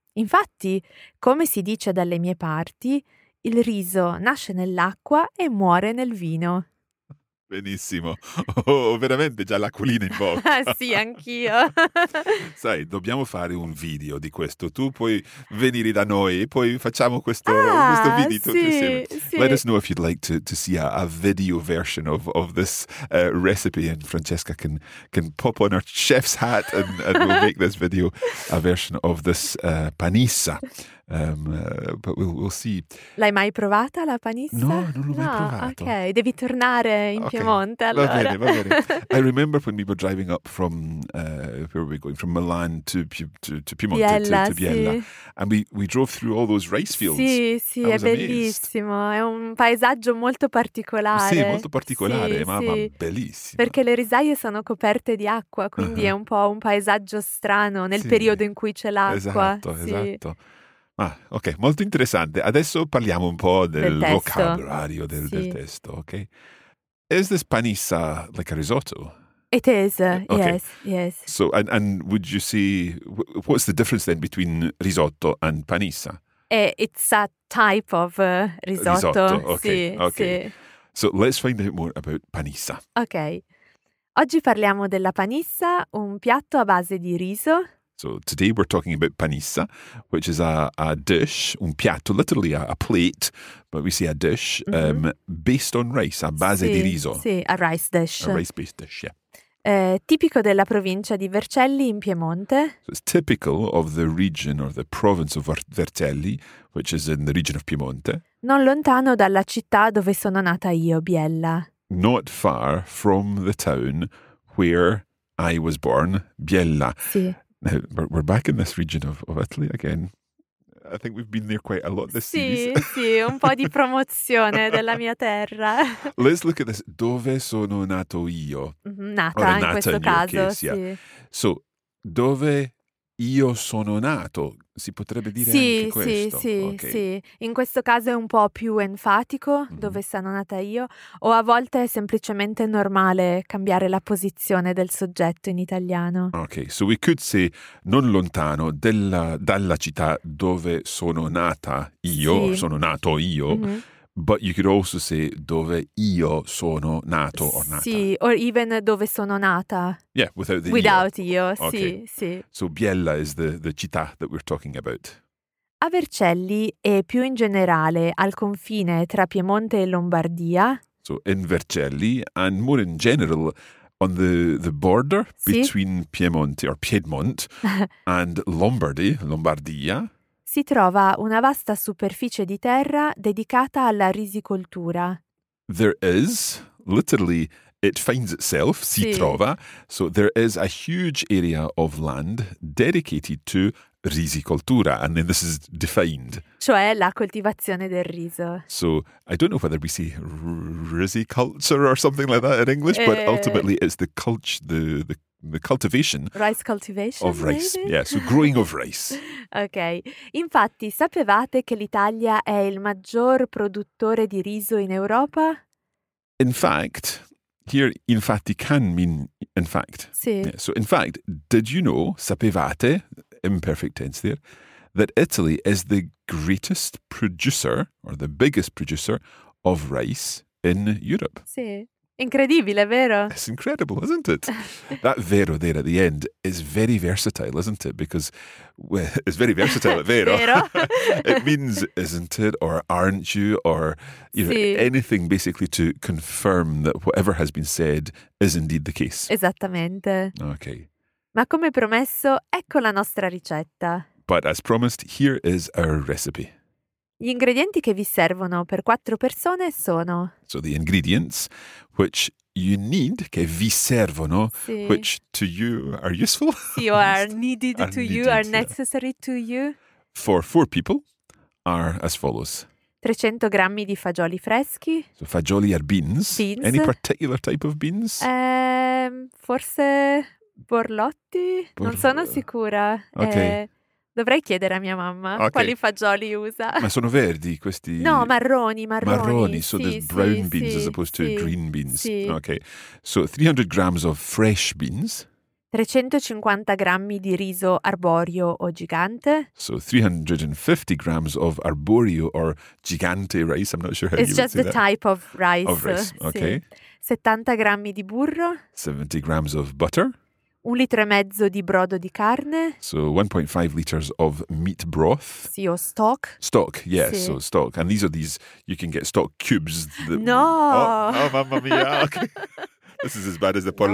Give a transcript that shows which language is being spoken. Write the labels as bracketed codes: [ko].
[it] Infatti, come si dice dalle mie parti, il riso nasce nell'acqua e muore nel vino. Benissimo. Ho veramente già l'acquolina in bocca. Sì, anch'io. Sai, dobbiamo fare un video di questo. Tu puoi venire da noi e poi facciamo questo, questo video, sì, tutti insieme. Sì. [en] Let us know if you'd like to see a video version of this recipe, and Francesca can pop on her chef's hat and we'll make this video a version of this panissa. But we'll see. [it] L'hai mai provata la panissa? No, non l'ho mai provato. Ok, devi tornare in Piemonte allora. Va bene, va bene. [en] I remember when we were driving up from where were we going? From Milan to Piemonte, Biella, to Biella, [it] sì. [en] And we drove through all those rice fields. [it] Sì, sì, è bellissimo. [en] Amazed. [it] È un paesaggio molto particolare. Sì, molto particolare, sì, ma bellissimo. Perché le risaie sono coperte di acqua, quindi è un po' un paesaggio strano nel periodo in cui c'è l'acqua. Esatto, esatto. Ah, ok, molto interessante. Adesso parliamo un po' del vocabolario del testo, ok? [en] Is this panisa like a risotto? It is, okay. yes. So, and would you say, what's the difference then between risotto and panisa? It's a type of risotto. Okay. So let's find out more about panisa. Ok. [it] Oggi parliamo della panisa, un piatto a base di riso. [en] So today we're talking about panisa, which is a dish, [it] un piatto, [en] literally a plate, but we say a dish, mm-hmm. Based on rice, [it] a base di riso. [en] Sì, a rice dish. A rice-based dish, yeah. [it] Tipico della provincia di Vercelli in Piemonte. [en] So it's typical of the region or the province of Vercelli, which is in the region of Piemonte. [it] Non lontano dalla città dove sono nata io, Biella. [en] Not far from the town where I was born, Biella. [it] Sì. [en] Now, we're back in this region of Italy again. I think we've been there quite a lot this season. [it] Sì, sì, un po' di promozione della mia terra. [en] Let's look at this. [it] Dove sono nato io? Nata, in questo caso, sì. Yeah. So, dove io sono nato? Si potrebbe dire sì, anche questo? Sì, sì, okay. Sì. In questo caso è un po' più enfatico, dove sono nata io. O a volte è semplicemente normale cambiare la posizione del soggetto in italiano. [en] Ok, so we could say [it] non lontano dalla città dove sono nata io, sì. Sono nato io, mm-hmm. [en] But you could also say [it] dove io sono nato o nata. Sì, [en] or even [it] dove sono nata. [en] Yeah, without the without io. [it] Okay. Sì, sì. [en] So Biella is the città that we're talking about. [it] A Vercelli e più in generale al confine tra Piemonte e Lombardia. [en] So in Vercelli and more in general on the border [it] sì. [en] Between Piemonte or Piedmont and Lombardy, Lombardia. [it] Si trova una vasta superficie di terra dedicata alla risicoltura. [en] There is, literally, it finds itself, [it] sì. Si trova. [en] So there is a huge area of land dedicated to risicoltura, and then this is defined. [it] Cioè la coltivazione del riso. [en] So I don't know whether we say risiculture or something like that in English, but ultimately it's the the cultivation. Rice cultivation. Of rice, yeah, so growing of rice. Ok. [it] Infatti, sapevate che l'Italia è il maggior produttore di riso in Europa? [en] In fact, here infatti can mean in fact. [it] Sì. Yeah, [en] so in fact, did you know, sapevate, imperfect tense there, that Italy is the greatest producer or the biggest producer of rice in Europe? [it] Sì. Incredibile, vero? [en] It's incredible, isn't it? That vero there at the end is very versatile, isn't it? Because it's very versatile, vero. [it] Vero? [en] It means, isn't it, or aren't you, or you [it] sì. [en] Know, anything basically to confirm that whatever has been said is indeed the case. [it] Esattamente. [en] Okay. [it] Ma come promesso, ecco la nostra ricetta. [en] But as promised, here is our recipe. [it] Gli ingredienti che vi servono per quattro persone sono... [en] So the ingredients which you need, [it] che vi servono, sì. [en] Which to you are useful. Sì, or are needed to needed, you, are necessary yeah. To you. For four people are as follows. [it] 300 grammi di fagioli freschi. [en] So fagioli are beans. Beans. Any particular type of beans? [it] Forse borlotti? Non sono sicura. Okay. Dovrei chiedere a mia mamma okay. Quali fagioli usa. Ma sono verdi questi? No, marroni. [en] Marroni, so [it] sì, [en] there's brown [it] sì, [en] beans [it] sì, [en] as opposed [it] sì, [en] to green beans. [it] Sì. [en] Okay. So 300 grams of fresh beans. [it] 350 grammi di riso arborio o gigante. [en] So 350 grams of arborio or gigante rice. I'm not sure how it's you would say that. It's just the type of rice. Of rice, okay. [it] Sì. 70 grammi di burro. [en] 70 grams of butter. [it] Un litro e mezzo di brodo di carne. [en] So 1.5 liters of meat broth. [it] Sì, o stock. [en] Stock, yes, sì. So stock. And these are these, you can get stock cubes. That, no! Oh, mamma mia, okay. This is as bad as the pollo